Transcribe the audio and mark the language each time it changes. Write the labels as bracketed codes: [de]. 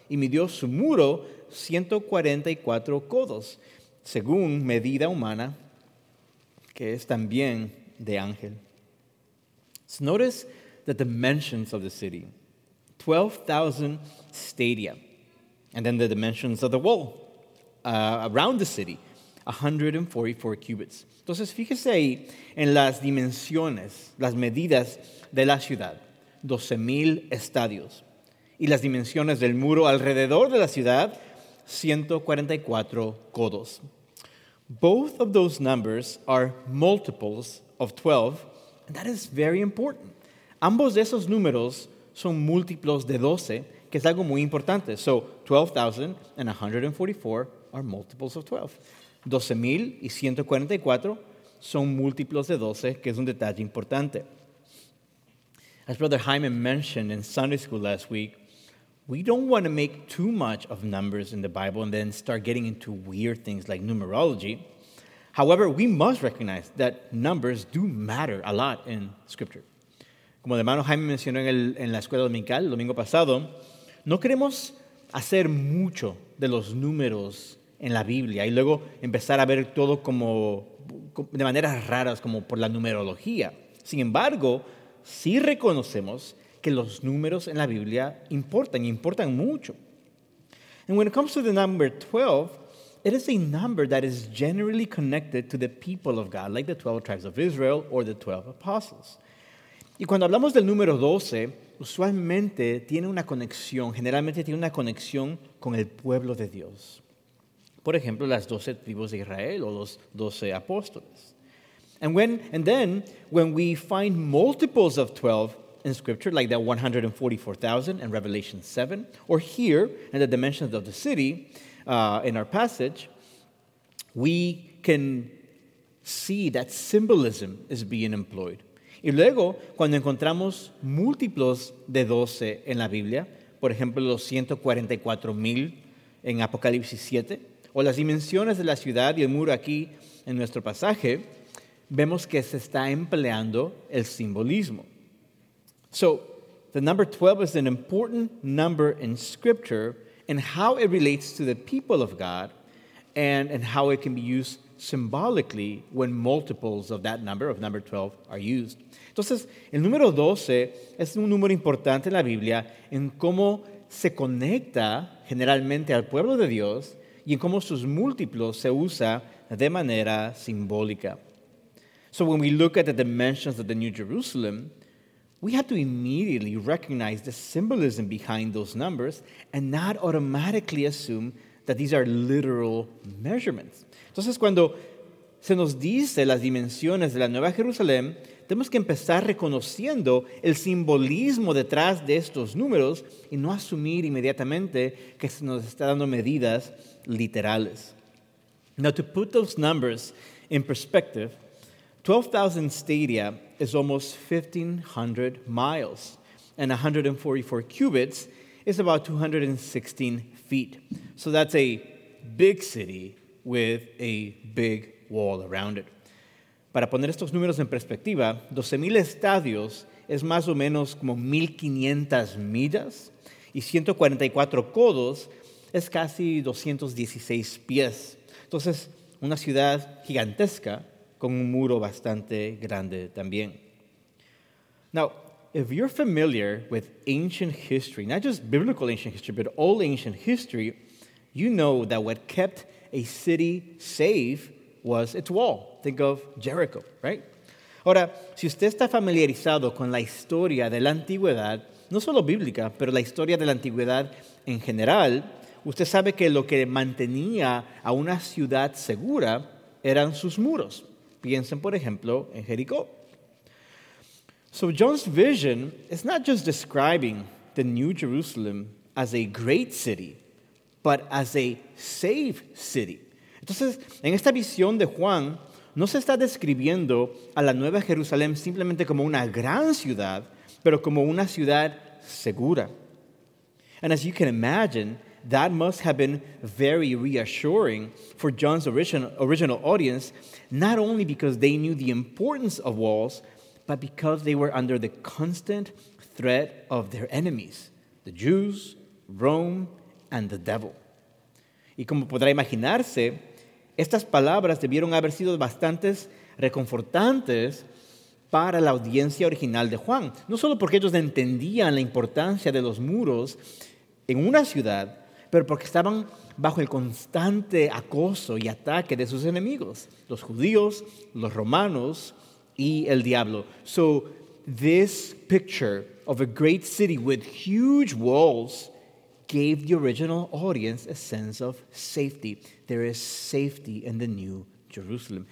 [es] Y midió su muro 144 codos, según medida humana, que es también de ángel. [en] So notice the dimensions of the city, 12,000 stadia, and then the dimensions of the wall around the city, 144 cubits. [es] Entonces, fíjese ahí en las dimensiones, las medidas de la ciudad, 12,000 estadios, y las dimensiones del muro alrededor de la ciudad, 144 codos. [en] Both of those numbers are multiples of 12. And that is very important. [es] Ambos de esos números son múltiplos de 12, que es algo muy importante. [en] So 12,000 and 144 are multiples of 12. [es] 12,144 son múltiplos de 12, que es un detalle importante. [en] As Brother Jaime mentioned in Sunday school last week, we don't want to make too much of numbers in the Bible and then start getting into weird things like numerology. However, we must recognize that numbers do matter a lot in Scripture. [es] Como el hermano Jaime mencionó en la escuela dominical el domingo pasado, no queremos hacer mucho de los números en la Biblia y luego empezar a ver todo como de maneras raras, como por la numerología. Sin embargo, sí reconocemos que los números en la Biblia importan, y importan mucho. [en] And when it comes to the number 12, it is a number that is generally connected to the people of God, like the 12 tribes of Israel or the 12 apostles. [es] Y cuando hablamos del número 12, usualmente tiene una conexión, generalmente tiene una conexión con el pueblo de Dios. Por ejemplo, las 12 tribus de Israel o los 12 apóstoles. [en] And then when we find multiples of 12 in Scripture, like that 144,000 in Revelation 7, or here in the dimensions of the city, in our passage, we can see that symbolism is being employed. [es] Y luego, cuando encontramos múltiplos de 12 en la Biblia, por ejemplo, los 144,000 en Apocalipsis 7, o las dimensiones de la ciudad y el muro aquí en nuestro pasaje, vemos que se está empleando el simbolismo. [en] So, the number 12 is an important number in Scripture and how it relates to the people of God and how it can be used symbolically when multiples of that number, of number 12, are used. [es] Entonces, el número 12 es un número importante en la Biblia en cómo se conecta generalmente al pueblo de Dios y en cómo sus múltiplos se usa de manera simbólica. [en] So when we look at the dimensions of the New Jerusalem, we have to immediately recognize the symbolism behind those numbers and not automatically assume that these are literal measurements. [es] Entonces, cuando se nos dice las dimensiones de la Nueva Jerusalén, tenemos que empezar reconociendo el simbolismo detrás de estos números y no asumir inmediatamente que se nos está dando medidas literales. [en] Now, to put those numbers in perspective, 12,000 stadia is almost 1,500 miles, and 144 cubits is about 216 feet. So that's a big city with a big wall around it. [es] Para poner estos números en perspectiva, 12,000 estadios es más o menos como 1,500 millas, y 144 codos es casi 216 pies. Entonces, una ciudad gigantesca con un muro bastante grande también. [en] Now, if you're familiar with ancient history, not just biblical ancient history, but all ancient history, you know that what kept a city safe was its wall. Think of Jericho, right? [es] Ahora, si usted está familiarizado con la historia de la antigüedad, no solo bíblica, pero la historia de la antigüedad en general, usted sabe que lo que mantenía a una ciudad segura eran sus muros. Piensen, por ejemplo, en Jericó. [en] So John's vision is not just describing the New Jerusalem as a great city, but as a safe city. [es] Entonces, en esta visión de Juan, no se está describiendo a la Nueva Jerusalén simplemente como una gran ciudad, pero como una ciudad segura. [en] And as you can imagine, that must have been very reassuring for John's original audience, not only because they knew the importance of walls, but because they were under the constant threat of their enemies, the Jews, Rome, and the devil. [es] Y como podrá imaginarse, estas palabras debieron haber sido bastante reconfortantes para la audiencia original de Juan. No solo porque ellos entendían la importancia de los muros en una ciudad, pero porque estaban bajo el constante acoso y ataque de sus enemigos, los judíos, los romanos y el diablo. [en] So this picture of a great city with huge walls gave the original audience a sense of safety. There is safety in the New Jerusalem.